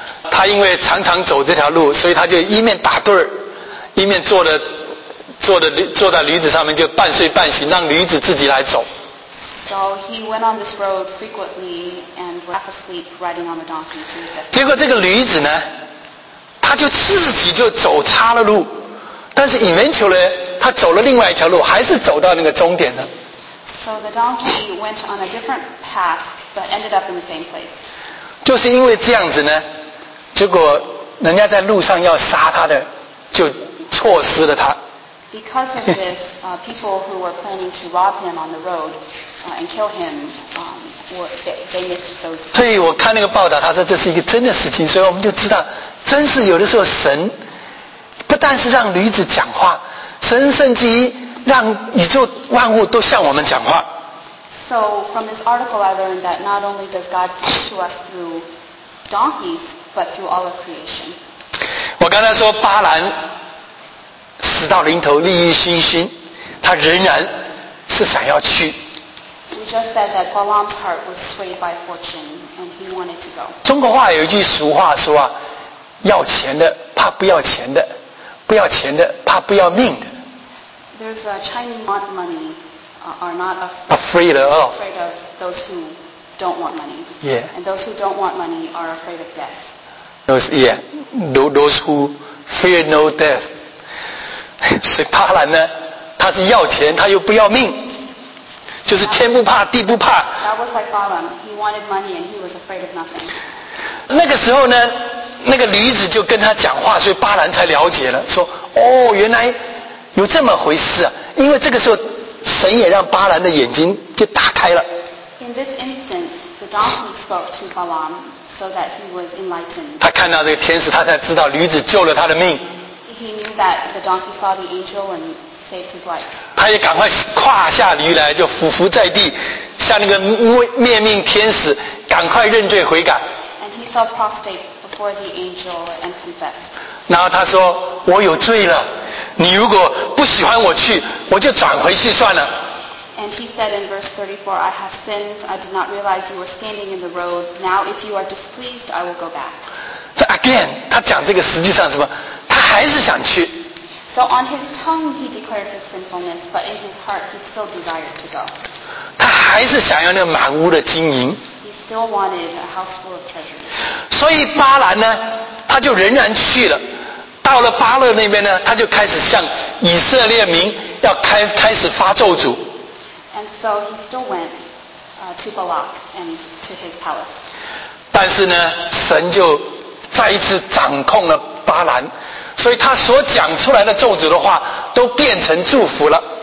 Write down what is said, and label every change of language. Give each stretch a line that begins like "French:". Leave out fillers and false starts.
Chinese: 他因为常常走这条路，所以他就一面打盹儿。一面坐在驴子上面，就半睡半醒，让驴子自己来走。
English: So he went on this road frequently and was half asleep riding on the donkey.
Chinese: 结果这个驴子呢，他就自己就走岔了路，但是eventually他走了另外一条路，还是走到那个终点了。
English: So the donkey went on a different path but ended up in the same place.
Chinese: 就是因为这样子呢，结果人家在路上要杀他的就。错失了他。
English: Because of this, people who were planning to rob him on the road and kill him, they missed those.
Chinese: 所以我看那个报道，他说这是一个真的事情，所以我们就知道，真是有的时候神不但是让驴子讲话，神甚至让宇宙万物都向我们讲话。
English: So from this article, I learned that not only does God speak to us through donkeys, but through all of creation.
Chinese: 我刚才说巴兰。死到临头，利益熏熏，他仍然是想要去。
English: We just said that Balaam's heart was swayed by fortune, and he wanted to go.
Chinese: 中国话有一句俗话说啊，要钱的怕不要钱的，不要钱的怕不要命的。
English: There's a Chinese want money, are not afraid of afraid of those who don't want money. Yeah. And those who don't want money are afraid of death. Those who fear no death.
Chinese: 所以巴兰呢，他是要钱，他又不要命，就是天不怕地不怕。
English: That was like Balaam. He wanted money and he was afraid of nothing.
Chinese: 那个时候呢，那个驴子就跟他讲话，所以巴兰才了解了，说哦，原来有这么回事啊。因为这个时候，神也让巴兰的眼睛就打开了。
English: In this instance, the donkey spoke to Balaam so that he was enlightened.
Chinese: 他看到这个天使，他才知道驴子救了他的命。
English: He knew that the donkey saw the angel and saved his life.
Chinese: 他也赶快跨下驴来，就俯伏在地，向那个面命天使赶快认罪悔改。
English: And he fell prostrate before the angel and confessed.
Chinese: 然后他说：“我有罪了，你如果不喜欢我去，我就转回去算了。”
English: And he said in verse 34, "I have sinned. I did not realize you were standing in the road. Now, if you are displeased, I will go back." So again,
Chinese: 他讲这个实际上什么？还是想去。
English: So on his tongue he declared his sinfulness, but in his heart he still desired to go.
Chinese: 他还是想要那个满屋的金银。
English: He still wanted a house full of treasures.
Chinese: 所以巴兰呢，他就仍然去了。到了巴勒那边呢，他就开始向以色列民要开始发咒诅。
English: And so he still went to Balak and to his palace.
Chinese: 但是呢，神就再一次掌控了巴兰。所以他所讲出来的咒诅的话都变成祝福了。